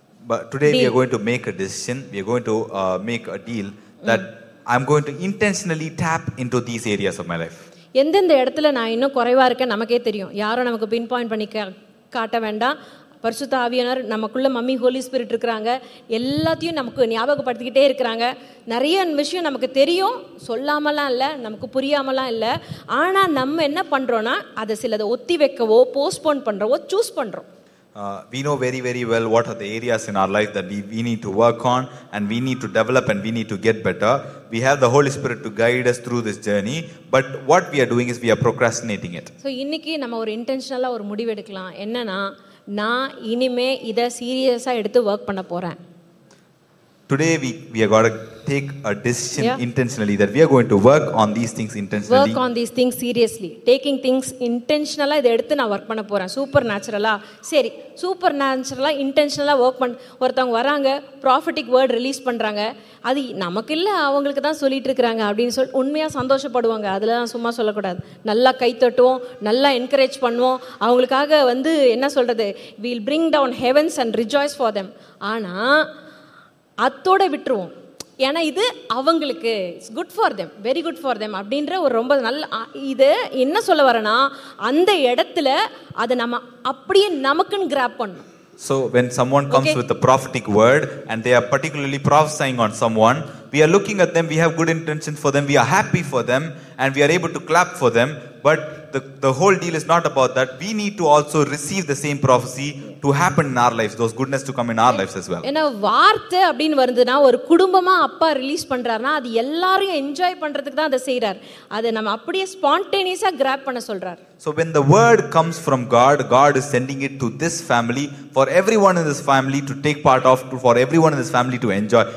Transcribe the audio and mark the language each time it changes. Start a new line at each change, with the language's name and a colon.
English: But today deal. We are going to make a decision we are going to make a deal that I'm going to intentionally tap into these areas of my life
Tamil: எந்தெந்த இடத்துல நான் இன்னும் குறைவா இருக்கேன் நமக்கே தெரியும் யாரோ நமக்கு பின் பாயிண்ட் பண்ணி காட்டவேண்டாம் பரிசுத்த ஆவியனர் நமக்குள்ள மம்மி ஹோலி ஸ்பிரிட் இருக்கிறாங்க எல்லாத்தையும் நமக்கு ஞாபகப்படுத்திக்கிட்டே இருக்கிறாங்க நிறைய விஷயம் நமக்கு தெரியும் சொல்லாமலாம் இல்லை நமக்கு புரியாமலாம் இல்லை ஆனால் நம்ம என்ன பண்றோம்னா அதை சிலதை ஒத்தி வைக்கவோ போஸ்ட்போன் பண்றவோ சூஸ் பண்றோம்
English: We know very very well what are the areas in our life that we need to work on and we need to develop and we need to get better we have the holy spirit to guide us through this journey but what we are doing is we are procrastinating it
Tamil: so இன்னைக்கு நம்ம ஒரு இன்டென்ஷனலா ஒரு முடிவு எடுக்கலாம் என்னன்னா நான் இனிமே இத சீரியஸா எடுத்து வர்க் பண்ண போறேன்
English: today we are going to take a decision yeah. intentionally that we are going to work on these things intentionally work on these things seriously taking things intentionally
Tamil: இத எடுத்து நான் வர்க் பண்ண போறேன் சூப்பர் நேச்சுரலா சரி super நேச்சுரலா இன்டென்ஷனலா work பண்ண ஒருத்தவங்க வராங்க ப்ராஃபிட்டிக் வேர்ட் ரிலீஸ் பண்றாங்க அது நமக்கு இல்ல அவங்களுக்கு தான் சொல்லிட்டு இருக்காங்க அப்படின்னு சொல்லி உண்மையா சந்தோஷப்படுவாங்க அதெல்லாம் சும்மா சொல்லக்கூடாது நல்லா கைத்தட்டுவோம் நல்லா என்கரேஜ் பண்ணுவோம் அவங்களுக்காக வந்து என்ன சொல்றது
English: we'll bring down heavens and rejoice for them
Tamil: ஆனா அத்தோட விட்டுருவோம் இது அவங்களுக்கு
English: good for them very good for them
Tamil: அப்படின்ற ஒரு ரொம்ப நல்ல இது என்ன சொல்ல வரனா அந்த இடத்துல அதை நம்ம அப்படியே நமக்குன்னு கிராப் பண்ணணும்
English: So when someone comes okay. with a prophetic word and they are particularly prophesying on someone, we are looking at them, we have good intentions for them, we are happy for them and we are able to clap for them. But the whole deal is not about that. We need to also receive the same prophecy to happen in our lives, those goodness to come in our lives as well.
Tamil: என்ன வார்த்தை அப்படினு வருதுனா ஒரு குடும்பமா அப்பா release பண்றாருனா அது எல்லாரையும் enjoy பண்றதுக்கு தான் அதை செய்றார். அதை நம்ம அப்படியே ஸ்பான்டேனியஸா கிராப் பண்ண சொல்றார்.
English: So when the word comes from God, God is sending it to this family for everyone in this family to take part of, for everyone in this family to enjoy.